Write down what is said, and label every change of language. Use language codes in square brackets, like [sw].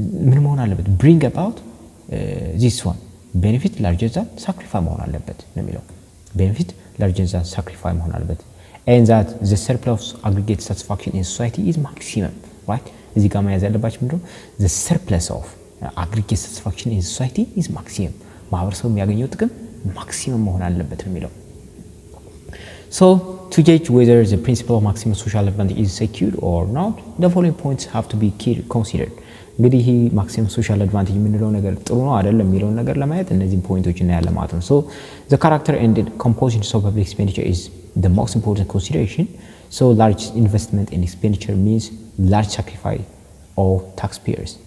[am] ምን መሆን አለበት? [en] Bring about this one. Benefit larger than sacrifice [am] መሆን አለበት ነው የሚለው. [en] Benefit larger than sacrifice [am] መሆን አለበት. [en] And that the surplus aggregate satisfaction in society is maximum. Right? [am] እዚህ ጋር ማያዝ ያለባችሁ ምንድነው? [en] The surplus of aggregate satisfaction in society is maximum. [am] ማህበረሰቡ የሚያገኘው ጥቅም ማክሲመም መሆን አለበት ነው የሚለው. [en] So to gauge whether the principle of maximum social advantage is secured or not, the following points have to be considered. [am] እንግዲህ ይሄ maximum social advantage የምንለው ነገር ጥሩ ነው አይደለም የሚለው ነገር ለማየት እነዚህ ፖይንቶች እና ያለ ማለት ነው. [en] So the character and the composition of public expenditure is the most important consideration. So large investment in expenditure means large sacrifice of taxpayers.